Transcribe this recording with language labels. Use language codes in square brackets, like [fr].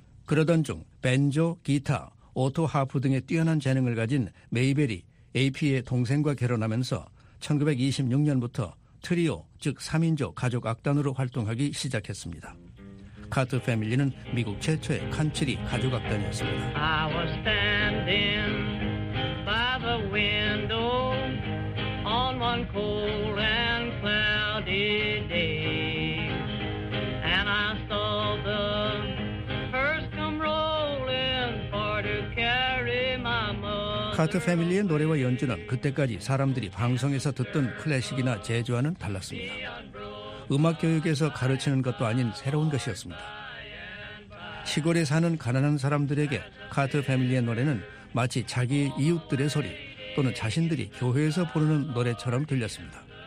[ko] 그러던 중 벤조, 기타, 오토하프 등의 뛰어난 재능을 가진 메이벨이 AP의 동생과 결혼하면서 1926년부터 트리오, 즉 3인조 가족 악단으로 활동하기 시작했습니다. 카트 패밀리는 미국 최초의 칸츠리 가족악단이었습니다. [en] I was standing by the window on one cold and cloudy day and I saw the hearse come rolling for to carry my mother. [ko] 카트 패밀리의 노래와 연주는 그때까지 사람들이 방송에서 듣던 클래식이나 재즈와는 달랐습니다. 음악 교육에서 가르치는 것도 아닌 새로운 것이었습니다. 시골에 사는 가난한 사람들에게 카터 패밀리의 노래는 마치 자기 이웃들의 소리 또는 자신들이 교회에서 부르는 노래처럼 들렸습니다.